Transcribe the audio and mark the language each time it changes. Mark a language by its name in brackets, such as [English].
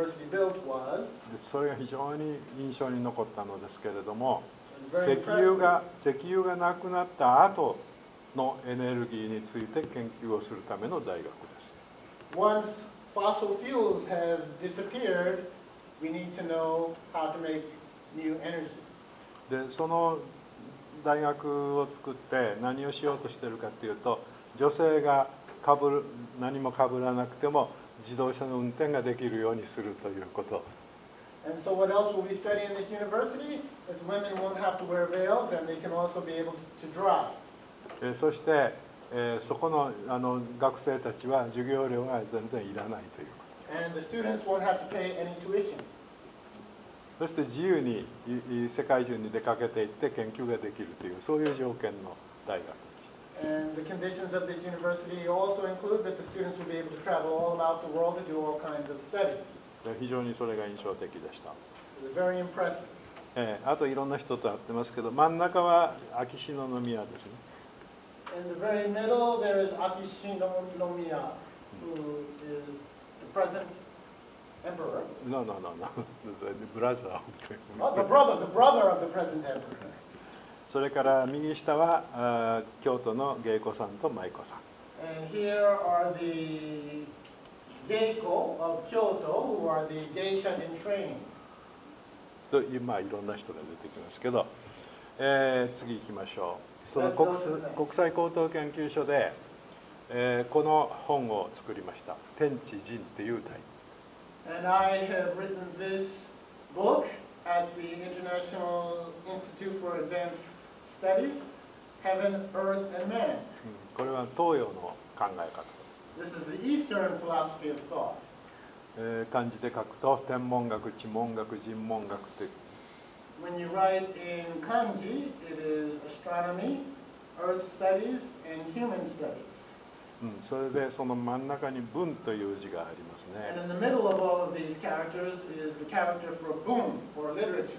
[Japanese] で、それが非常に印象に残ったのですけれども、石油がなくなった後のエネルギーについて研究をするための大学。 [English] Once fossil fuels have disappeared, we need to know how to make new energy. [Japanese] で、その大学を作って何をしようとしているかというと、女性が何もかぶらなくても自動車の運転ができるようにするということ。 [English] And so what else will we study in this university? Is women won't have to wear veils and they can also be able to drive. [Japanese] そしてそこの学生たちは授業料が全然いらないということです。そして自由に世界中に出かけていって研究ができるという、そういう条件の大学でした。 [English] And the conditions of this university also include that the students will be able to travel all about the world to do all kinds of studies. [Japanese] 非常にそれが印象的でした。 [English] It was very impressive. [Japanese] あといろんな人と会ってますけど、真ん中は秋篠宮ですね。 [English] In the very middle, there is Akishino Nomiya, who is the present emperor. No. The brother of the emperor. Oh, the brother of the present emperor. [Japanese] それから右下は京都の芸妓さんと舞妓さん。 [English] And here are the Geiko of Kyoto, who are the geisha in training. [Japanese] と、まあ、いろんな人が出てきますけど、次行きましょう。その国際高等研究所で、この本を作りました。天地人っていうタイプ。 [English] And I have written this book at the International Institute for Advanced Studies, Heaven, Earth, and Man. [Japanese] これは東洋の考え方。 [English] This is the Eastern philosophy of thought. [Japanese] 漢字で書くと天文学、地文学、人文学という。 [English] When you write in kanji, it is astronomy, earth studies, and human studies.、 [Japanese] うん、それでその真ん中に文という字がありますね。 [English] And in the middle of all of these characters is the character for 文 or literature.